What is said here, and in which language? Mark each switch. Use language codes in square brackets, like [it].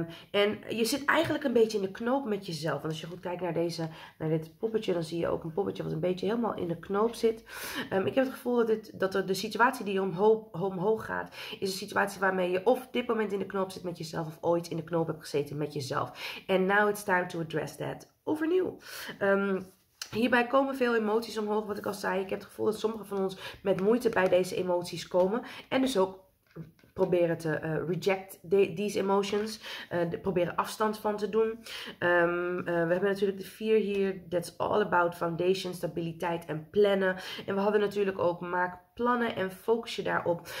[nl] En je zit eigenlijk een beetje in de knoop met jezelf. Want als je goed kijkt naar dit poppetje, dan zie je ook een poppetje wat een beetje helemaal in de knoop zit. Ik heb het gevoel dat de situatie die omhoog gaat, is een situatie waarmee je of dit moment in de knoop zit met jezelf of ooit in de knoop heb gezeten met jezelf. [en] And now it's time to address that overnieuw. [nl] Hierbij komen veel emoties omhoog, wat ik al zei. Ik heb het gevoel dat sommige van ons met moeite bij deze emoties komen. En dus ook proberen te [en] reject these emotions. [nl] Proberen afstand van te doen. We hebben natuurlijk de 4 hier. [en] That's all about foundation, [nl] stabiliteit en plannen. En we hadden natuurlijk ook maak plannen en focus je daarop.